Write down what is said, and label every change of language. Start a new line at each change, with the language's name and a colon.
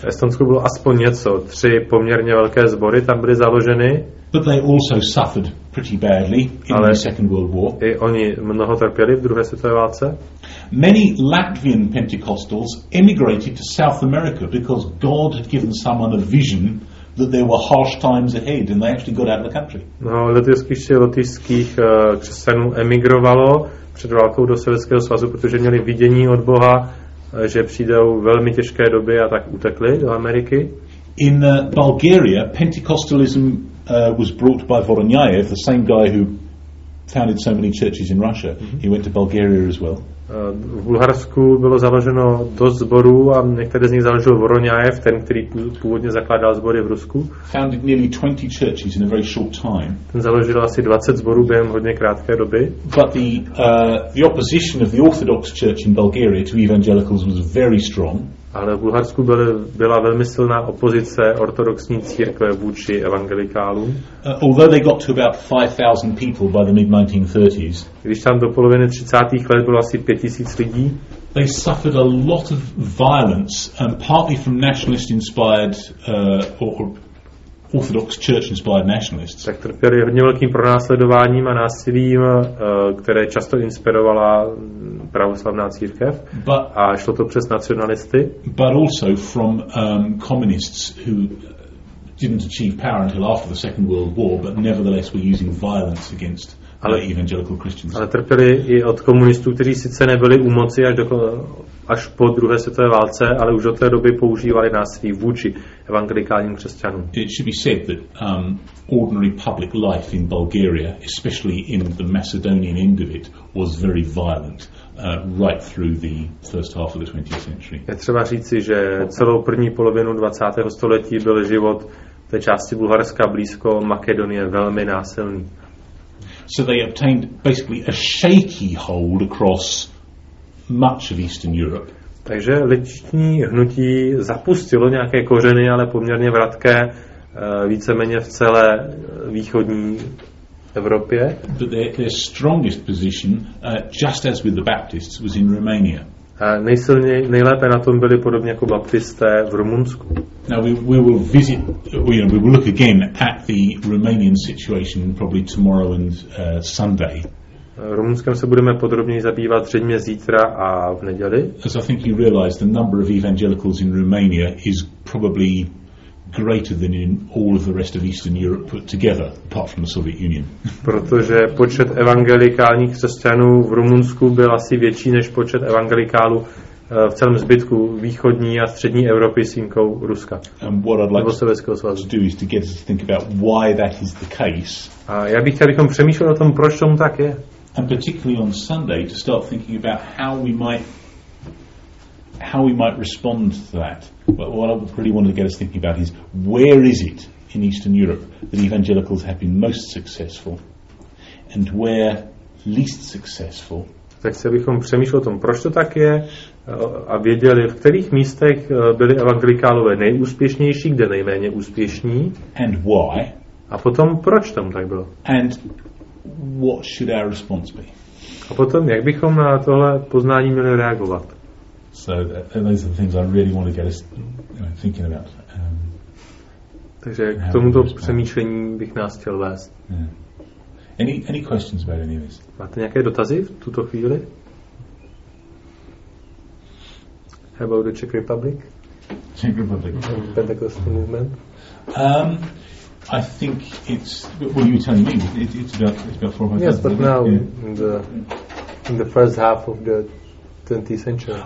Czech: V Estonsku bylo aspoň něco, tři poměrně velké sbory tam byly založeny.
English: But they also suffered pretty badly in the Second World War.
Czech: I oni mnoho trpěli v druhé světové válce.
English: Many Latvian Pentecostals emigrated to South America because God had given someone a vision that there were harsh times ahead and they actually got out of the country.
Czech: No, lotyšských křesťanů emigrovalo před válkou do Sovětského svazu, protože měli vidění od Boha, že přijdou velmi těžké doby a tak utekli do Ameriky.
English: In Bulgaria, Pentecostalism was brought by Voronyayev, the same guy who founded so many churches in Russia. He went to Bulgaria as well.
Czech: V Bulharsku bylo založeno dost zborů a některé z nich založil Voronyayev, ten, který původně zakládal zbory v Rusku.
English: Founded nearly 20 churches in a very short time.
Czech: Ten založil asi 20 zborů během hodně krátké doby.
English: But the opposition of the Orthodox Church in Bulgaria to evangelicals was very strong.
Czech: Ale v Bulharsku byla velmi silná opozice ortodoxní církve vůči evangelikálům.
English: Although they got to about 5,000 people by the mid-1930s.
Czech: Když tam do poloviny 30. let bylo asi 5,000 lidí.
English: They suffered a lot of violence, partly from nationalist-inspired or Orthodox Church-inspired nationalists.
Czech: Tak trpěli hodně velkým pronásledováním a násilím, které často inspirovala pravoslavná církev.
English: But,
Czech: a šlo to přes nacionalisty.
English: But also from communists who didn't achieve power until after the Second World War, but nevertheless were using violence against evangelical Christians.
Czech: Ale trpěli i od komunistů, kteří sice nebyli u moci až po druhé světové válce, ale už od té doby používali násilí vůči evangelikálním křesťanům.
English: It should be said that ordinary public life in Bulgaria, especially in the Macedonian end of it, was very violent right through the first half of the 20th century.
Czech: Je třeba říci, že celou první polovinu 20. století byl život té části Bulharska blízko Makedonie velmi násilný.
English: So they obtained basically a shaky hold across much of Eastern Europe.
Czech: Takže ličtí hnutí zapustilo nějaké kořeny, ale poměrně vratké, víceméně v celé východní Evropě.
English: But their strongest position, just as with the Baptists, was in Romania.
Czech: Nejlépe na tom byli podobně jako baptisté v Rumunsku.
English: Now we will look again at the Romanian situation probably tomorrow and Sunday.
Czech: Rumunskem se budeme podrobněji zabývat zřejmě zítra a v neděli.
English: As I think you realize, the number of evangelicals in Romania is probably greater than in all of the rest of Eastern Europe put together, apart from the Soviet Union.
Czech: Protože počet evangelikálních křesťanů v Rumunsku byl asi větší než počet evangelikálů v celém zbytku východní a střední Evropy s výjimkou Ruska.
English: And what I'd like to do is to get us to think about why that is the case.
Czech: A já bych chtěl, abychom přemýšleli o tom, proč tomu tak je.
English: And particularly on Sunday, to start thinking about how we might respond to that. But what I really wanted to get us thinking about is where is it in Eastern Europe that evangelicals have been most successful and where least successful.
Czech: Tak se bychom přemýšleli o tom, proč to tak je, a věděli, v kterých místech byli evangelikálové nejúspěšnější, kde nejméně úspěšní.
English: And why.
Czech: A potom, proč tam tak bylo.
English: And what should our response be.
Czech: A potom, jak bychom na tohle poznání měli reagovat.
English: So those are the things I really want to get us thinking about.
Czech: Takže k tomuto přemýšlení bych nás chtěl vést.
English: Yeah. Any questions about any of this?
Czech: Máte nějaké dotazy v tuto chvíli?
English: How about the Czech Republic? Czech Republic. Pentecostal movement. I think it's what you're telling me. It's about 400. Yes, but now in the first half of the 20th century.